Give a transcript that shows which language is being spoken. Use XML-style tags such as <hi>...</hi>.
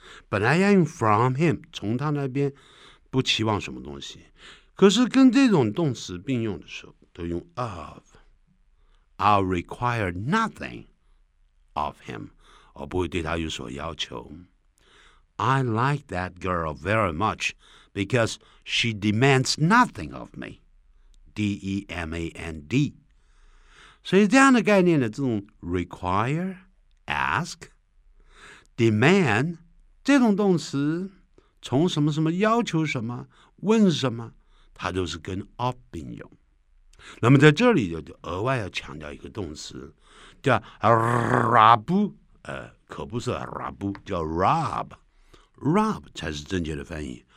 <zh>本来要用 from him, 从他那边不期望什么东西。可是跟这种动词并用的时候都用 of.</zh> <en>I'll require nothing of him.</en> <zh>我不会对他有所要求。</zh> <en>I like that girl very much because she demands nothing of me. D-E-M-A-N-D.</en> <zh>所以这样的概念呢，这种 require, ask, demand, 这种动词从什么什么要求什么问什么，它都是跟 of 并用。那么在这里就额外要强调一个动词，叫 rob， 可不是 rob， 叫 rob 才是正确的翻译。</zh>